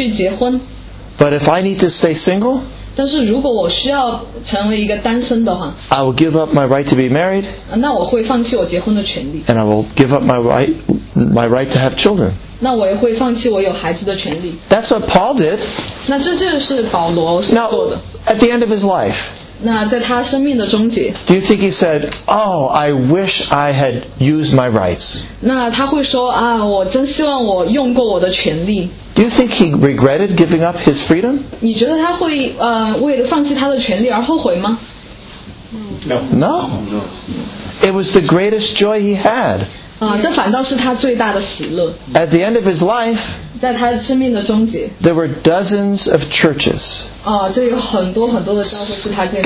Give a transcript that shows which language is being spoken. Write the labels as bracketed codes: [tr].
[en] But if I need to stay single, I will give up my right to be married, and I will give up my right to have children. That's what Paul did. Now, at the end of his life, do you think he said, oh, I wish I had used my rights? [zh] 那他会说啊，我真希望我用过我的权利。 [en] Do you think he regretted giving up his freedom? [zh] 你觉得他会为了放弃他的权利而后悔吗? [en] No. No. It was the greatest joy he had. [zh] 这反倒是他最大的喜乐。 [en] At the end of his life, [zh] 在他生命的终结, [en] there were dozens of churches [zh] 这有很多很多的教会是他建立,